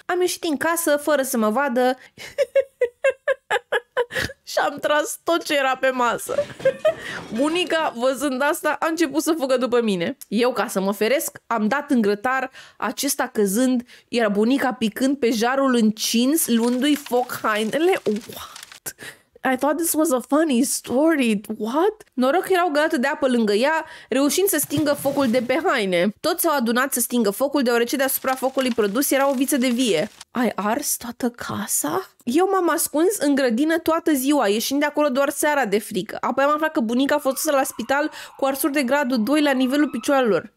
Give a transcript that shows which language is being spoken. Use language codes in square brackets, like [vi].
[ro] Am ieșit din casă fără să mă vadă și am tras tot ce era pe masă. Bunica, văzând asta, a început să fugă după mine. Eu, ca să mă feresc, am dat în grătar, acesta căzând, iar bunica picând pe jarul încins, luându-i foc hainele. [en] What? I thought this was a funny story. What? [ro] Noroc că era o găleată de apă lângă ea, reușind să stingă focul de pe haine. Toți s-au adunat să stingă focul, deoarece deasupra focului produs era o viță de vie. Ai ars toată casa? Eu m-am ascuns în grădină toată ziua, ieșind de acolo doar seara de frică. Apoi am aflat că bunica a fost dusă la spital cu arsuri de gradul 2 la nivelul picioarelor.